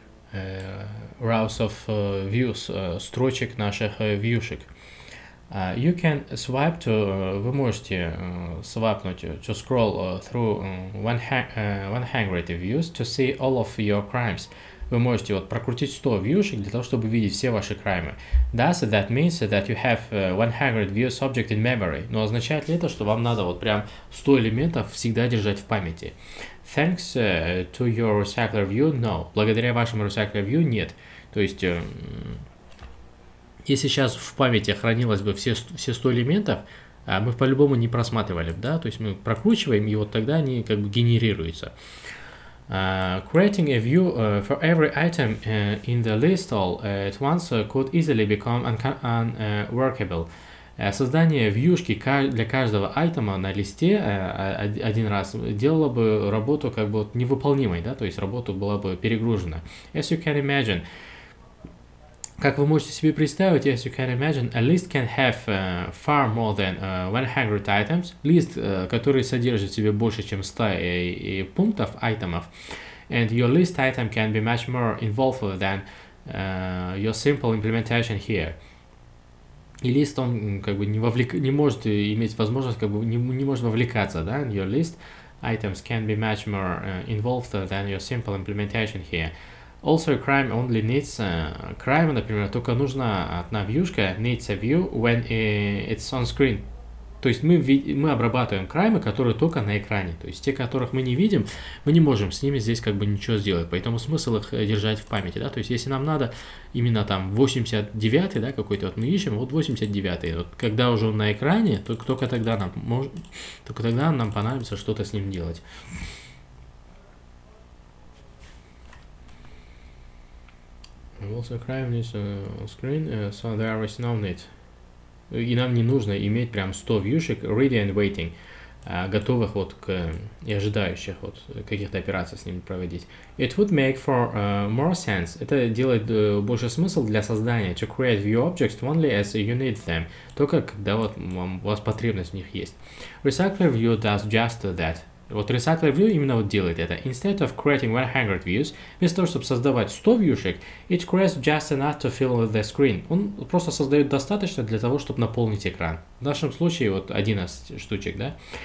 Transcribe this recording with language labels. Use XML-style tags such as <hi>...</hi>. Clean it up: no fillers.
<en>Rows of views,</en> <ru>строчек наших вьюшек.</ru> <en>You can swipe to,</en> <ru>вы можете свайпнуть,</ru> <en>to scroll through 100 views to see all of your crimes.</en> <ru>Вы можете вот прокрутить 100 вьюшек для того, чтобы видеть все ваши краймы.</ru> <en>Thus, that means that you have 100 views object in memory.</en> <ru>Но означает ли это, что вам надо вот прям 100 элементов всегда держать в памяти?</ru> <en>Thanks to your recycler view, no.</en> <ru>Благодаря вашему recycler view, нет. То есть, если сейчас в памяти хранилось бы все 100 элементов, мы по-любому не просматривали, да? То есть мы прокручиваем, и вот тогда они как бы генерируются.</ru> <en>Creating a view for every item in the list all at once could easily become unworkable.</en> <ru>Создание вьюшки для каждого айтема на листе один раз делало бы работу как бы невыполнимой, да, то есть работа была бы перегружена.</ru> <en>As you can imagine,</en> <ru>как вы можете себе представить,</ru> <en>as you can imagine, a list can have far more than 100 items.</en> <ru>Лист, который содержит в себе больше, чем 100 пунктов, айтемов.</ru> <en>And your list item can be much more involved than your simple implementation here.</en> <ru>И лист, он как бы не может иметь возможность, как бы не может вовлекаться, да?</ru> <en>And your list items can be much more involved than your simple implementation here. Also, crime only needs crime,</en> <ru>например, только нужна одна вьюшка,</ru> <en>needs a view when it's on screen.</en> <ru>То есть мы обрабатываем краймы, которые только на экране. То есть те, которых мы не видим, мы не можем с ними здесь как бы ничего сделать. Поэтому смысл их держать в памяти, да. То есть если нам надо именно там 89-й, да, какой-то вот мы ищем, вот 89-й. Вот когда уже он на экране, только тогда нам понадобится что-то с ним делать.</ru> <en>Also, crime needs screen, so there is no need.</en> <ru>И нам не нужно иметь прям 100 вьюшек</ru> <en>ready and waiting,</en> <ru>готовых вот к и ожидающих вот каких-то операций с ними проводить.</ru> <en>It would make for more sense.</en> <ru>Это делает больше смысл для создания.</ru> <en>To create view objects only as you need them.</en> <ru>Только когда вот у вас потребность в них есть.</ru> <en>Recycler view does just that.</en> <ru>Вот Recycler View именно вот делает это.</ru> <en>Instead of creating 100 views,</en> <ru>вместо того, чтобы создавать 100 вьюшек,</ru> <en>it creates just enough to fill the screen.</en> <ru>Он просто создает достаточно для того, чтобы наполнить экран. В нашем случае вот 11 штучек, да?</ru>